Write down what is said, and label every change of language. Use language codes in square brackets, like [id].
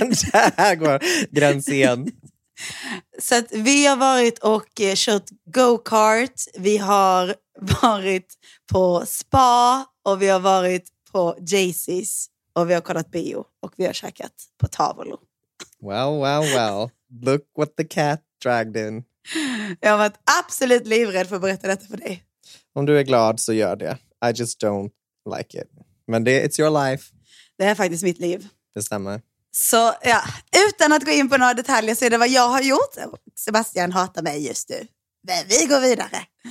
[sv] Där går gränsen. Så att vi har varit och kört go-kart, vi har varit på spa och vi har varit på Jaycees och vi har kollat bio och vi har käkat på tavolo. [en] Well, well, well. Look what the cat dragged in. [sv] Jag har varit absolut livrädd för att berätta detta för dig. Om du är glad så gör det. [en] I just don't like it. [sv] Men det, [en] it's your life. [sv] Det är faktiskt mitt liv. Det stämmer. Så ja, utan att gå in på några detaljer så är det vad jag har gjort. Sebastian hatar mig just nu. Men vi går vidare.